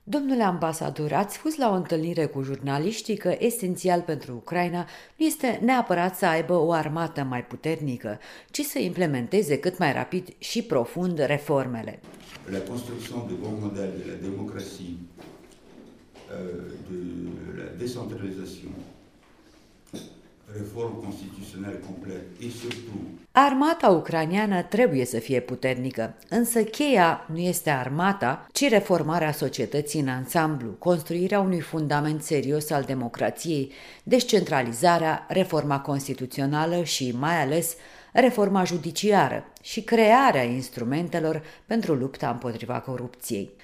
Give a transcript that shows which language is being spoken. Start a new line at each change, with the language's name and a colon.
Romanian: Domnule ambasador, ați spus la o întâlnire cu jurnaliștii că esențial pentru Ucraina nu este neapărat să aibă o armată mai puternică, ci să implementeze cât mai rapid și profund reformele.
French: La construction du bon modèle de la démocratie, de la décentralisation, réforme constitutionnelle complète et surtout.
Romanian: Armata ucraineană trebuie să fie puternică, însă cheia nu este armata, ci reformarea societății în ansamblu, construirea unui fundament serios al democrației, descentralizarea, reforma constituțională și, mai ales, reforma judiciară și crearea instrumentelor pentru lupta împotriva corupției.